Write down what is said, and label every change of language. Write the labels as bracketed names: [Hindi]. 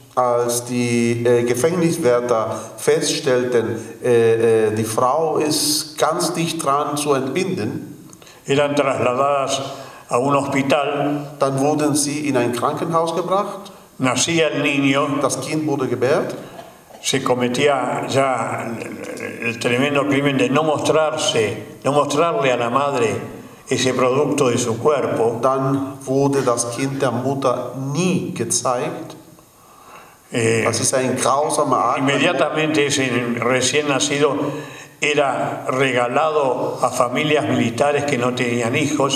[German] Als die Gefängniswärter feststellten, die Frau ist ganz dicht dran zu entbinden, [Spanish] eran trasladadas a un hospital, [German] dann wurden sie in ein Krankenhaus gebracht. [Spanish] Nacía el niño, [German] das Kind wurde gebärt. [Spanish] Se cometía ya el tremendo crimen de no mostrarse, no mostrarle a la madre ese producto de su cuerpo. [German] Dann wurde das Kind der Mutter nie gezeigt. Das ist ein grausamer Akt. [Spanish] Inmediatamente ese recién nacido era regalado a familias militares que no tenían hijos.